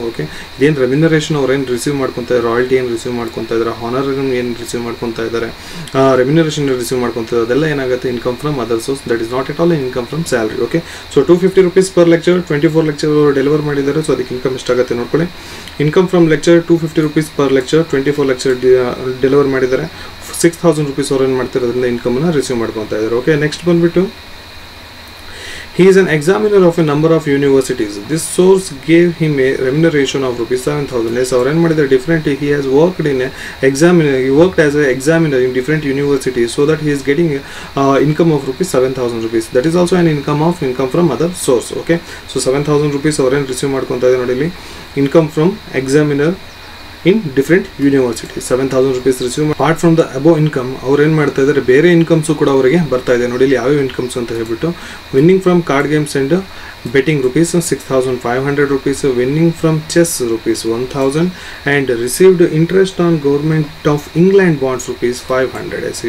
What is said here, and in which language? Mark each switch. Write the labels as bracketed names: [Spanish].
[Kannada] Okay, ಇದೇನು remuneration ಅವ್ರು ಏನು ರಿಸೀವ್ ಮಾಡ್ಕೊತಾ ಇದ್ದಾರೆ, ರಾಯಲ್ಟಿ ಏನು ರಿಸೀವ್ ಮಾಡ್ಕೊತಾ ಇದ್ದಾರೆ, ಹಾನರ್ ಏನು ರಿಸೀವ್ ಮಾಡ್ಕೊತಾ ಇದ್ದಾರೆ, ರೆಮ್ಯುನರೇಷನ್ ರಿಸೀವ್ ಮಾಡ್ಕೊತಾ ಇದ್ದಾರೆ, ಅದೆಲ್ಲ ಏನಾಗುತ್ತೆ, income from other source, [English] That is not at all income from salary. [Kannada] Okay, so 250 rupees per lecture, 24 lecture ಅವರು ಡೆಲಿವರ್ ಮಾಡಿದ್ದಾರೆ. ಸೊ ಅದಕ್ಕೆ ಇನ್ಕಮ್ ಎಷ್ಟಾಗುತ್ತೆ ನೋಡ್ಕೊಳ್ಳಿ, income from lecture 250 rupees per lecture, 24 lecture deliver ಮಾಡಿದ್ದಾರೆ, 6000 ರುಪೀಸ್ ಅವ್ರು ಏನು ಮಾಡ್ತಾರೆ, ಅದರಿಂದ ಇನ್ಕಮನ್ನು ರಿಸೀವ್ ಮಾಡ್ಕೊತಾ ಇದ್ದಾರೆ. [English] okay, next [Kannada] ಬಂದುಬಿಟ್ಟು [English] He is an examiner of a number of universities. This source gave him a remuneration of rupees 7,000. Yes, [Kannada] avaru en madidare [English] differently, he has worked in a examiner, he worked as a examiner in different universities, so that he is getting income of rupees 7,000 rupees. That is also an income of income from other source. Okay, so 7,000 rupees [Kannada] avaru en receive madkonta idare nodili, [English] income from examiner in different university 7,000 rupees receive. [Kannada] Apart from the above income ಅವ್ರು ಏನು ಮಾಡ್ತಾ ಇದ್ದಾರೆ, ಬೇರೆ incomes ಕೂಡ ಅವರಿಗೆ ಬರ್ತಾ ಇದೆ. ನೋಡಿ ಇಲ್ಲಿ ಯಾವ್ಯಾವ ಇನ್ಕಮ್ಸ್ ಅಂತ ಹೇಳ್ಬಿಟ್ಟು, [English] Winning from card games and betting rupees 6,500 rupees, winning from chess rupees 1,000, and received interest on government of England bonds rupees 500.